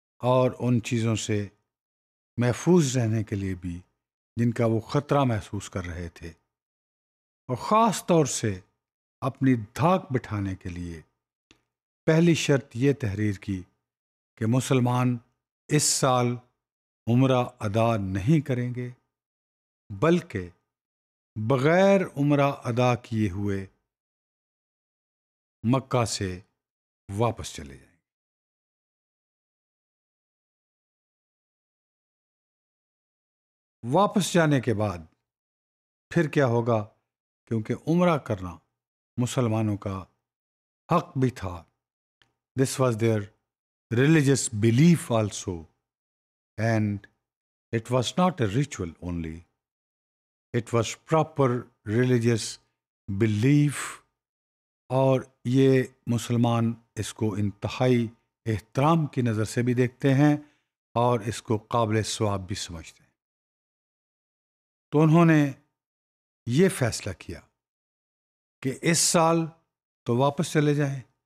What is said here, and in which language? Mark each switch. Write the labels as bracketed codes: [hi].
[ur] اور ان چیزوں سے محفوظ رہنے کے لیے بھی جن کا وہ خطرہ محسوس کر رہے تھے, اور خاص طور سے اپنی دھاک بٹھانے کے لیے پہلی شرط یہ تحریر کی کہ مسلمان اس سال عمرہ ادا نہیں کریں گے بلکہ بغیر عمرہ ادا کیے ہوئے مکہ سے واپس چلے جائیں. واپس جانے کے بعد پھر کیا ہوگا, کیونکہ عمرہ کرنا مسلمانوں کا حق بھی تھا. [en] This was their religious belief also and it was not a ritual only. It was proper religious belief [ur] اور یہ مسلمان اس کو انتہائی احترام کی نظر سے بھی دیکھتے ہیں اور اس کو قابل ثواب بھی سمجھتے ہیں. تو انہوں نے یہ فیصلہ کیا کہ اس سال تو واپس چلے جائیں.